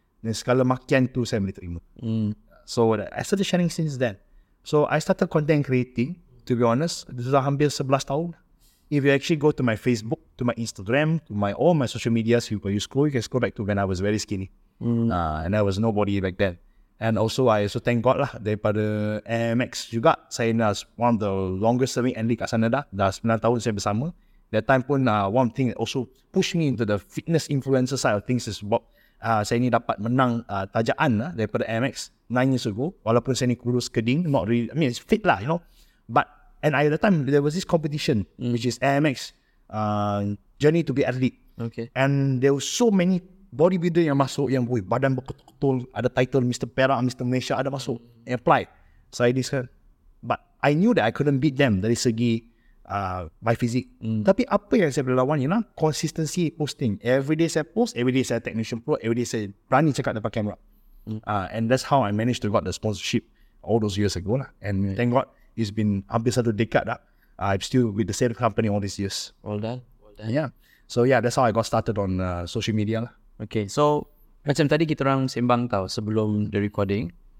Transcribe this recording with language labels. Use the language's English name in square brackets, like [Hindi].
[Malay] Dan segala makian tu saya boleh terima. [English] So I started sharing since then. So I started content creating, to be honest, this is [Malay] hampir 11 tahun. [English] If you actually go to my Facebook, to my Instagram, to all my social medias, you can scroll back to when I was very skinny. And I was nobody back then. And also, I also thank God lah, [Malay] daripada AMX juga, saya ni [English] as one of the longest serving athlete [Malay] kat sana dah 9 tahun saya bersama. [English] That time pun, one thing that also pushed me into the fitness influencer side of things is about [Malay] saya ni dapat menang tajaan lah, daripada AMX [English] 9 years ago, [Malay] walaupun saya ni kurus keding, [English] not really, I mean it's fit lah, you know. But, at the time, there was this competition, which is AMX, Journey to be Athlete. Okay. And there were so many bodybuilder [Malay] yang masuk, [English] yang boy, [Malay] badan berketul, [English] ada title Mr. Perak, Mr. [Malay] Malaysia, ada masuk, apply. [English] So I decided, but I knew that I couldn't beat them [Malay] dari segi [English] my physique. [Malay] Tapi apa yang saya boleh lawan ialah consistency posting. Every day saya post, every day saya technician pro, every day saya berani cakap depan kamera. [English] And that's how I managed to got the sponsorship all those years ago lah. And thank God, it's been [Malay] hampir satu dekad dah. [English] I'm still with the same company all these years. Well done. Yeah. So yeah, that's how I got started on social media lah. [Malay] Okay, so macam tadi kita orang sembang tau sebelum [English] the recording.